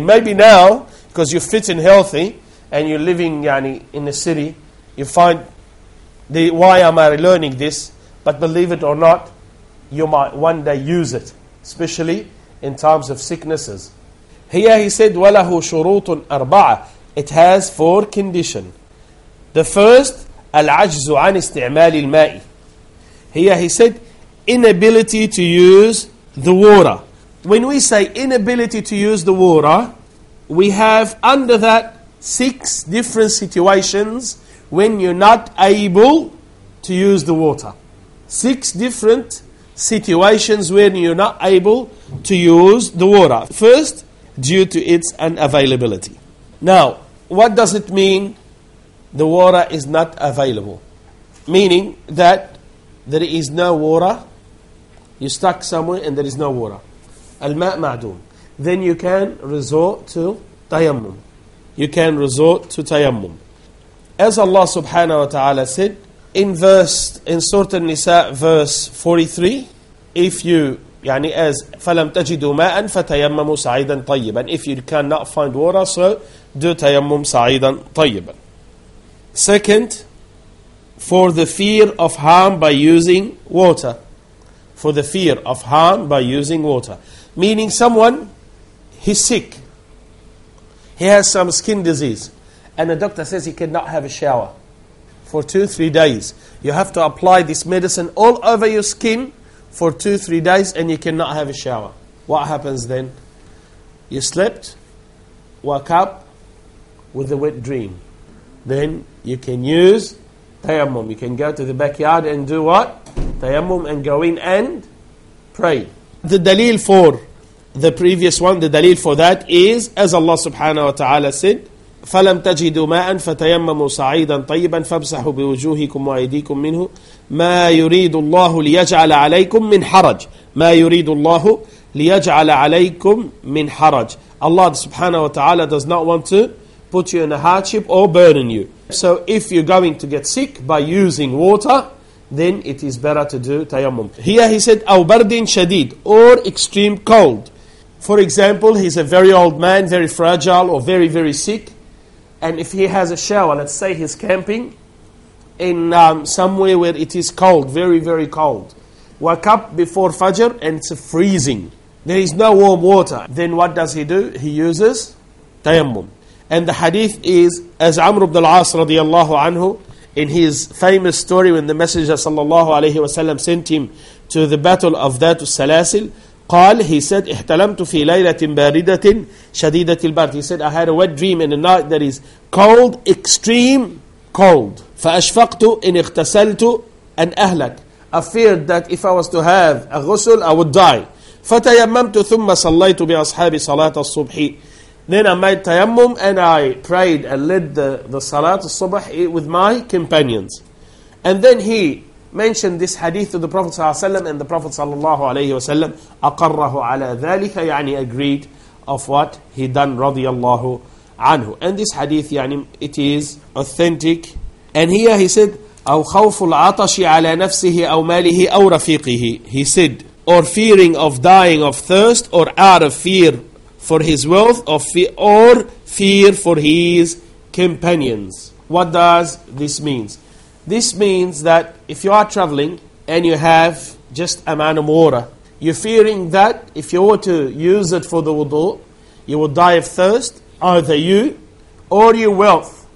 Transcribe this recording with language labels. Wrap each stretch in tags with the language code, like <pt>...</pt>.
<en>Maybe now, because you're fit and healthy, and you're living in the city, you find, why am I learning this? But believe it or not, you might one day use it, especially in times of sicknesses. Here he said,</en> <ar>وَلَهُ شُرُوطٌ أَرْبَعَةٌ.</ar> <en>It has four conditions. The first,</en> <ar>العجز عن استعمال الماء.</ar> <en>Here he said, inability to use the water. When we say inability to use the water, we have under that six different situations when you're not able to use the water. Six different situations when you're not able to use the water. First, due to its unavailability. Now, what does it mean, the water is not available? Meaning that there is no water, you're stuck somewhere and there is no water.</en> <ar>الماء معدوم.</ar> <en>Then you can resort to tayammum. You can resort to tayammum. As Allah subhanahu wa ta'ala said, in Surah An-Nisa, verse 43, if you</en> <ar>يعني as فلم تجدوا ماء فتيمموا صعيدا طيبا.</ar> <en>If you cannot find water, so do</en> <ar>تيمم صعيدا طيبا.</ar> <en>Second, for the fear of harm by using water. For the fear of harm by using water. Meaning someone, he's sick. He has some skin disease. And the doctor says he cannot have a shower for 2-3 days. You have to apply this medicine all over your skin for 2-3 days and you cannot have a shower. What happens then? You slept, woke up with a wet dream. Then you can use tayammum. You can go to the backyard and do what? Tayammum and go in and pray. The dalil for the previous one, the dalil for that is, as Allah subhanahu wa ta'ala said,</en> <ar>فَلَمْ تَجِدُوا مَاءً فَتَيَمَّمُوا صَعِيدًا طَيِّبًا فَابْسَحُوا بِوُجُوهِكُمْ وَأَيْدِيكُمْ مِنْهُ مَا يُرِيدُ اللَّهُ لِيَجْعَلَ عَلَيْكُمْ مِنْ حَرَجٍ مَا يُرِيدُ اللَّهُ لِيَجْعَلَ عَلَيْكُمْ مِنْ حَرَجٍ.</ar> <en>Allah subhanahu wa ta'ala does not want to put you in a hardship or burden you. So if you're going to get sick by using water, then it is better to do tayammum. Here he said,</en> <ar>أَوْ بَرْدٍ شَدِيدٍ,</ar> <en>or extreme cold. For example, he's a very old man, very fragile, or very, very sick. And if he has a shower, let's say he's camping in somewhere where it is cold, very, very cold. Wake up before Fajr and it's freezing. There is no warm water. Then what does he do? He uses tayammum. And the hadith is, as Amr ibn al-As radiallahu anhu, in his famous story when the Messenger sallallahu alayhi wa sallam sent him to the battle of Dhatu Salasil, قال, he said,</en> <ar>احتلمت في ليلة باردة شديدة البرد.</ar> <en>He said, I had a wet dream in a night that is cold, extreme cold.</en> <ar>فأشفقت إن اغتسلت أن أهلك.</ar> <en>I feared that if I was to have a ghusl, I would die.</en> <ar>فتيممت ثم صليت بأصحاب صلاة الصبح.</ar> <en>Then I made tayammum and I prayed and led the</en> <ar>صلاة الصبح</ar> <en>with my companions. And then he mentioned this hadith to the Prophet ﷺ, and the Prophet ﷺ</en> <ar>أقره على ذلك,</ar> <en>يعني agreed of what he done</en> <ar>رضي الله عنه.</ar> <en>And this hadith, يعني it is authentic. And here he said,</en> <ar>أو خوف العطش على نفسه أو ماله أو رفيقه.</ar> <en>He said, or fearing of dying of thirst, or out of fear for his wealth, or fear for his companions. What does this mean? This means that if you are traveling and you have just a amount of water, you're fearing that if you were to use it for the wudu, you will die of thirst, either you or your wealth.</en>